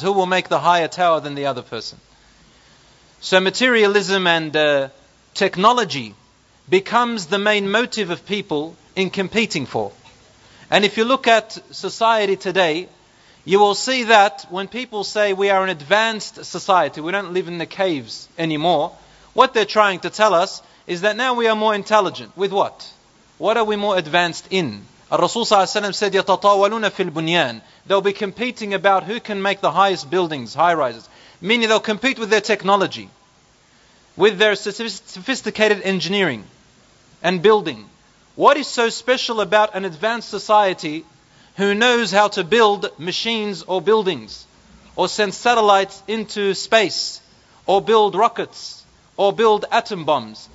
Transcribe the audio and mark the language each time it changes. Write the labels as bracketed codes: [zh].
[en] Who will make the higher tower than the other person? So materialism and technology becomes the main motive of people in competing for. And if you look at society today, you will see that when people say we are an advanced society, we don't live in the caves anymore, what they're trying to tell us is that now we are more intelligent. With what? What are we more advanced in? [ar] Rasulullah said, يَتَطَاوَلُونَ فِي الْبُنْيَانِ. [en] They'll be competing about who can make the highest buildings, high-rises. Meaning they'll compete with their technology, with their sophisticated engineering and building. What is so special about an advanced society who knows how to build machines or buildings, or send satellites into space, or build rockets, or build atom bombs?